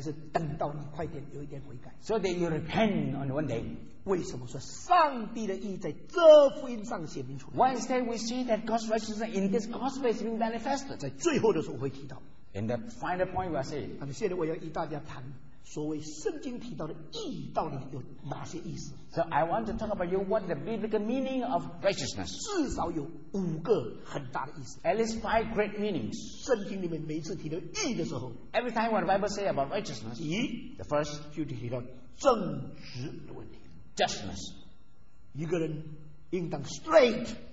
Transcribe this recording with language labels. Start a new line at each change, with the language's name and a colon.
Chinese: 是等到你快点有一天悔改。
English: So that you repent on one day.
Chinese: 为什么说上帝的意在这福音上显明出来？
English: Why is that we see that God's righteousness in this gospel is being manifested?
Chinese: 在最后的时候我会提到。
English: In the final point, we are saying.
Chinese: 现在我要与大家谈所谓圣经提到的义到底有哪些意思。
English: So I want to talk about you what the biblical meaning of righteousness.
Chinese: 至少有五个很大的意思。
English: At least five great meanings.
Chinese: 圣经里面每次提到义的时候
English: ，Every time when the Bible say about righteousness,
Chinese: 义
English: ，the first
Chinese: 就提到正直的问题
English: ，justness.
Chinese: 一个人应当 straight.